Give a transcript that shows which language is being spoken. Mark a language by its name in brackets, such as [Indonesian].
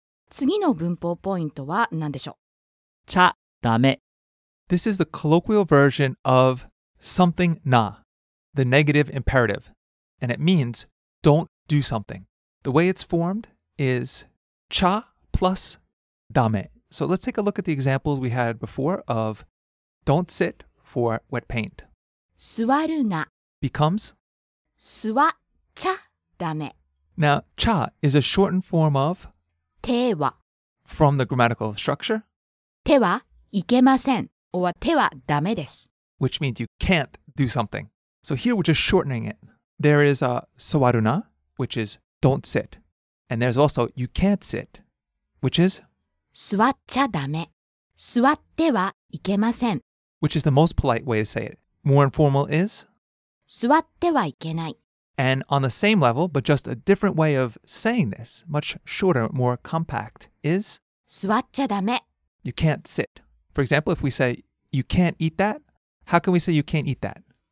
[Japanese] 次の文法ポイントは何でしょう？ちゃダメ。 [English] This is the colloquial version of something na, the negative imperative, and it means don't do something. The way it's formed is ちゃ plus ダメ. So let's take a look at the examples we had before of don't sit for wet paint. [Japanese] 座るな [English] becomes [Japanese] 座っちゃダメ. [English] Now, ちゃ is a shortened form of [Japanese] 手は [English] from the grammatical structure [Japanese] 手はいけません or 手はダメです [English] which means you can't do something. So here we're just shortening it. There is a 座るな, which is don't sit. And there's also you can't sit, which is [Japanese] 座っちゃダメ座ってはいけません [English] which is the most polite way to say it. More informal is [Japanese] 座ってはいけない [English] And on the same level, but just a different way of saying this, much shorter, more compact, is [Japanese] 座っちゃダメ [English] You can't sit. For example, if we say, you can't eat that, how can we say you can't eat that?